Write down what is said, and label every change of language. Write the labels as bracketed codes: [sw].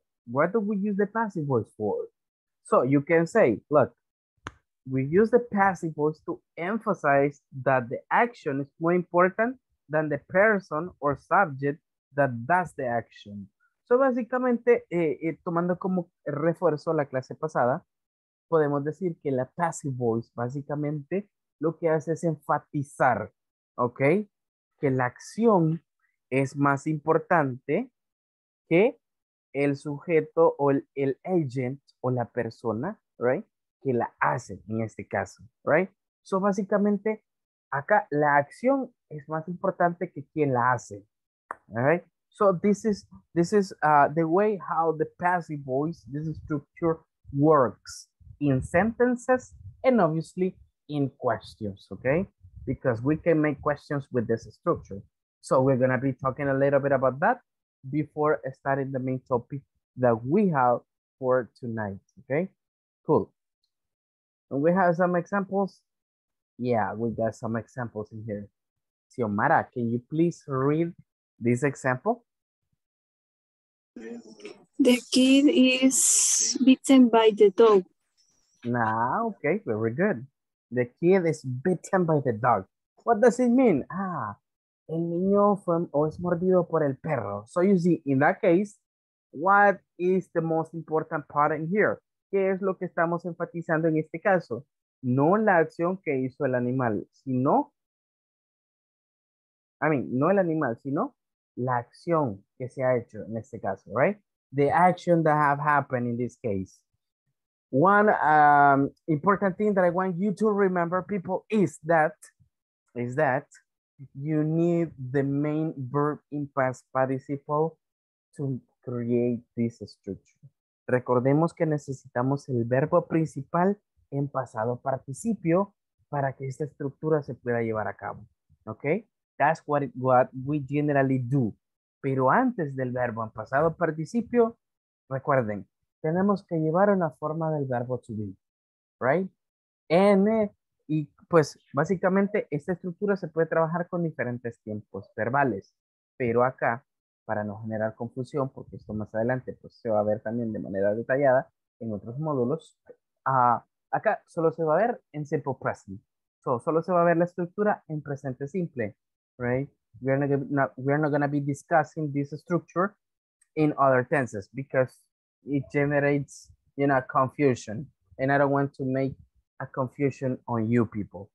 [en] What do we use the passive voice for? So you can say, look, we use the passive voice to emphasize that the action is more important than the person or subject that does the action. [es] So básicamente, tomando como refuerzo la clase pasada, podemos decir que la passive voice básicamente lo que hace es enfatizar, ¿ok? Que la acción es más importante que el sujeto o el agent o la persona, ¿right? Que la hace en este caso, ¿right? So básicamente, acá la acción es más importante que quien la hace, ¿right? [en] So this is the way how the passive voice, this structure works in sentences and obviously in questions, okay? Because we can make questions with this structure. So we're gonna be talking a little bit about that before starting the main topic that we have for tonight, okay? Cool. And we have some examples. Yeah, we got some examples in here. Xiomara, can you please read this example? The kid is bitten by the dog. Nah, okay, very good. The kid is bitten by the dog. What does it mean? [es] Ah, el niño fue o es mordido por el perro. [en] So you see, in that case, what is the most important part in here? [es] ¿Qué es lo que estamos enfatizando en este caso? No la acción que hizo el animal, sino, no el animal, sino la acción que se ha hecho en este caso, right? [en] The action that have happened in this case. One important thing that I want you to remember, people, is that you need the main verb in past participle to create this structure. [es] Recordemos que necesitamos el verbo principal en pasado participio para que esta estructura se pueda llevar a cabo, okay? [en] That's what we generally do. [es] Pero antes del verbo en pasado participio, recuerden, tenemos que llevar una forma del verbo to be, right? Y pues básicamente esta estructura se puede trabajar con diferentes tiempos verbales. Pero acá, para no generar confusión, porque esto más adelante pues, se va a ver también de manera detallada en otros módulos, acá solo se va a ver en simple present. So, solo se va a ver la estructura en presente simple. [en] Right, we're not gonna be discussing this structure in other tenses because it generates, you know, confusion, and I don't want to make a confusion on you people.